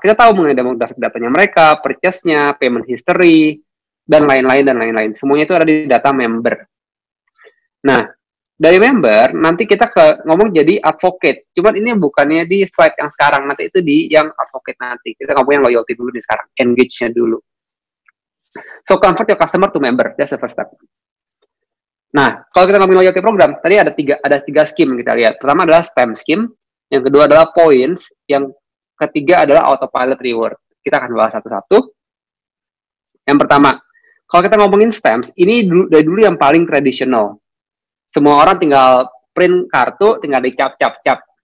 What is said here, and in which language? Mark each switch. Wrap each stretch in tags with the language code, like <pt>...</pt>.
<id>Kita tahu mengenai demografi datanya mereka, purchase-nya, payment history, dan lain-lain. Semuanya itu ada di data member. Nah, dari member, nanti kita ngomong jadi advocate. Cuman ini bukannya di slide yang sekarang, nanti itu di yang advocate nanti. Kita ngomong yang loyalty dulu di sekarang, engage-nya dulu.</id> <en>So, convert your customer to member, that's the first step.</en> <id>Nah, kalau kita ngomongin loyalty program, tadi ada tiga scheme kita lihat. Pertama adalah stamp scheme, yang kedua adalah points, yang ketiga adalah autopilot reward. Kita akan bahas satu-satu. Yang pertama, kalau kita ngomongin stamps, ini dari dulu yang paling tradisional. Semua orang tinggal print kartu, tinggal dicap-cap-cap.</id>